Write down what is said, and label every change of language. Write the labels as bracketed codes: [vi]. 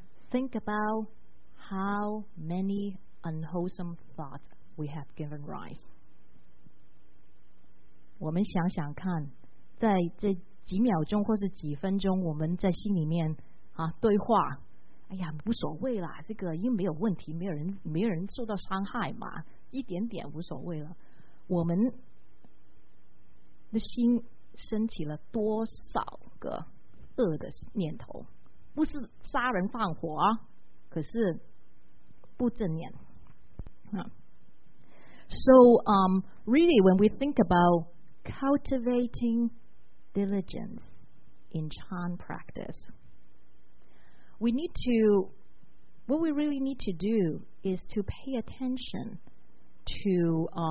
[en] Think about how many unwholesome thoughts we have given rise. [zh] 我们想想看，在这几秒钟或是几分钟，我们在心里面啊对话，哎呀无所谓啦，这个因为没有问题，没有人受到伤害嘛，一点点无所谓了。我们的心升起了多少个恶的念头？不是杀人放火，可是不正念。 [en] So really, when we think aboutcultivating diligence in Chan practice, what we really need to do is to pay attention to